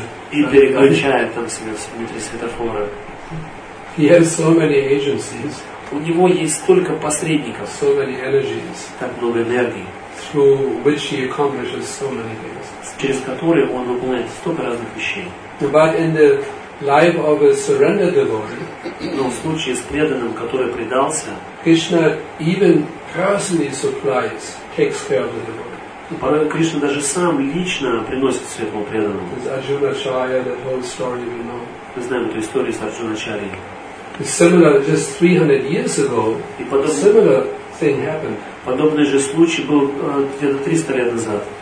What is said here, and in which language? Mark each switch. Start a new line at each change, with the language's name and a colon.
Russian: И переключает там себя внутри светофора.
English: He has so many agencies.
Russian: У него есть столько посредников,
English: so many energies,
Russian: так много энергии,
English: through which he accomplishes so many things.
Russian: Через которые он выполняет столько разных вещей.
English: But in the life of a surrendered devotee,
Russian: но в случае с преданным, который предался,
English: Krishna even personally supplies, takes care of the devotee.
Russian: Порой Кришна даже сам лично приносит все этому преданному.
English: It's Arjuna Chaya, that whole story we know.
Russian: Мы знаем эту историю с Арджуна Чари.
English: Similar, just 300 years ago, similar thing happened.
Russian: Подобный же случай был где-то 300 лет назад.